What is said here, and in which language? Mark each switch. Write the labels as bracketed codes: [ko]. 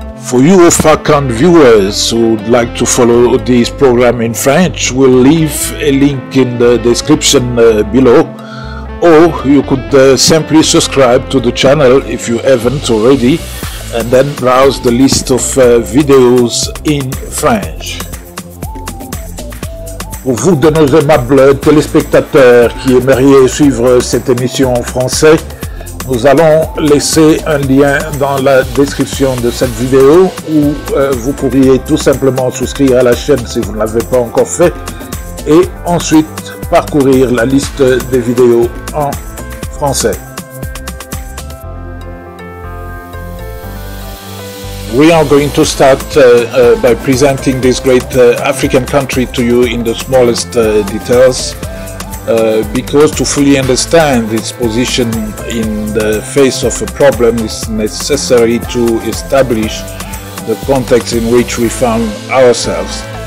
[en] For you of Afrikaans viewers who would like to follow this program in French, we'll leave a link in the description below, or you could simply subscribe to the channel if you haven't already, and then browse the list of videos in French. [fr] Pour vous de nos aimables téléspectateurs qui aimeriez suivre cette émission en français, nous allons laisser un lien dans la description de cette vidéo où vous pourriez tout simplement souscrire à la chaîne si vous ne l'avez pas encore fait et ensuite parcourir la liste des vidéos en français. [en] We are going to start by presenting this great African country to you in the smallest details. Because to fully understand its position in the face of a problem, it's necessary to establish the context in which we found ourselves.